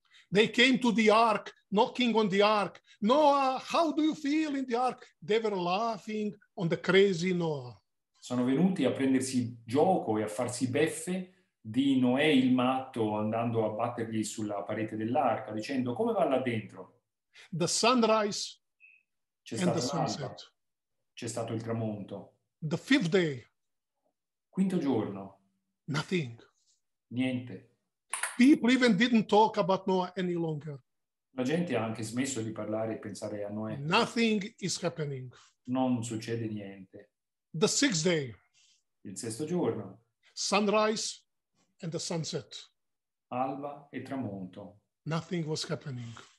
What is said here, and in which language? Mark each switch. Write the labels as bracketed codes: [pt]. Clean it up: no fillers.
[en] They came to the ark, knocking on the ark. Noah, how do you feel in the ark? They were laughing on the crazy Noah. [it] Sono venuti a prendersi gioco e a farsi beffe di Noè il matto andando a battergli sulla parete dell'arca dicendo come va là dentro. [en] The sunrise and the sunset. [it] C'è stato il tramonto. [en] The fifth day. [it] Quinto giorno. [en] Nothing. [it] Niente. [en] People even didn't talk about Noah any longer. [it] La gente ha anche smesso di parlare e pensare a Noè. [en] Nothing is happening. [it] Non succede niente. [en] The sixth day. [it] Il sesto giorno. [en] Sunrise and the sunset. [it] Alba e tramonto. [en] Nothing was happening.